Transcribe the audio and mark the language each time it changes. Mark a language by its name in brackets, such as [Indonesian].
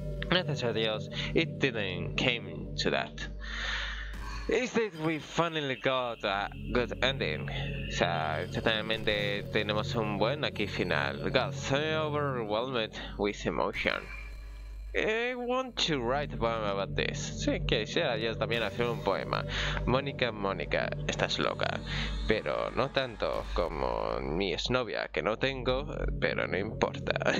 [Spanish] Gracias a Dios, [English] it didn't came to that. Is that we finally got a good ending? [Spanish] O sea, finalmente tenemos un buen aquí final. [English] Got so overwhelmed with emotion. I want to write a poem about this. [Spanish] Sí, quisiera yo también hacer un poema. Monika, Monika, estás loca. Pero no tanto como mi exnovia, que no tengo, pero no importa.